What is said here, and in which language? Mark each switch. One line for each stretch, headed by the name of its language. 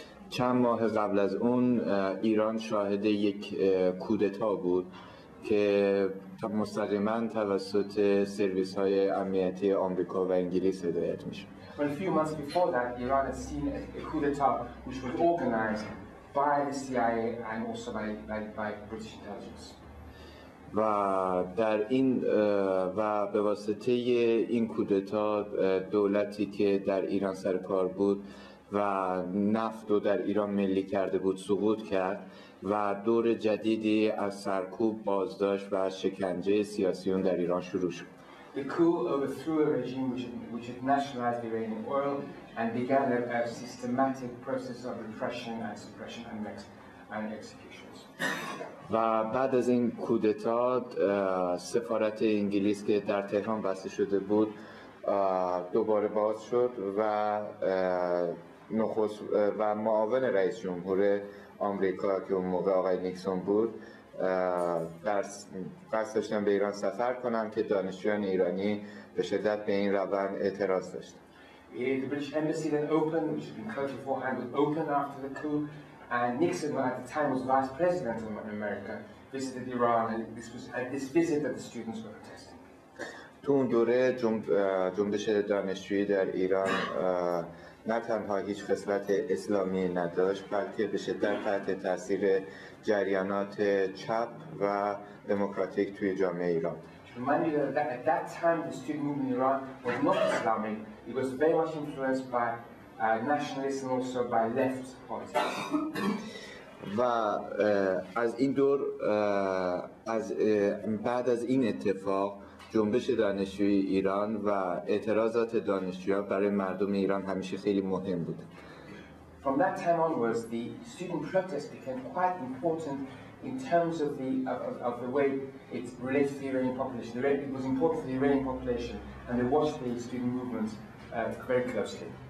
Persian: چند ماه قبل از اون ایران شاهد یک کودتا بود که مستقیما توسط سرویس‌های امنیتی آمریکا و انگلیس هدایت می‌شد.
English: A few months before that, Iran had seen a coup d'etat which was organized by the CIA and also by British intelligence.
Persian: و در این و به واسطه این کودتا دولتی که در ایران سر کار بود و نفت رو در ایران ملی کرده بود سقوط کرد و دور جدیدی از سرکوب بازداشت و شکنجه سیاسیون در ایران شروع شد.
English: The coup overthrew a regime which had nationalized Iranian oil and began a systematic process of repression and suppression and executions.
Persian: و بعد از این کودتا سفارت انگلیس که در تهران بسته شده بود دوباره باز شد و نخست و معاون رئیس جمهور آمریکا که اون موقع آقای نیکسون بود در قصد داشتن به ایران سفر کنن که دانشجویان ایرانی به شدت به این روند اعتراض داشتن.
English: The British embassy then opened, which had been closed beforehand, was opened after the coup. And Nixon, who at the time was vice president of America, visited Iran, and this was at this visit that the students were protesting.
Persian: تو اون دوره جنبش دانشجویی در ایران نه تنها هیچ خصلت اسلامی نداشت بلکه به شدت تحت تاثیر جریانات چپ و دموکراتیک توی جامعه ایران.
English: At that time, the student movement in Iran was not Islamic. It was very much influenced by nationalism and also by left politics.
Persian: و از این دور از بعد از این اتفاق جنبش دانشجویی ایران و اعتراضات دانشجویان برای مردم ایران همیشه خیلی مهم بوده.
English: From that time onwards the student protest became quite important in terms of the way it relates to the Iranian population. It was important for the Iranian population and they watched the student movement very closely.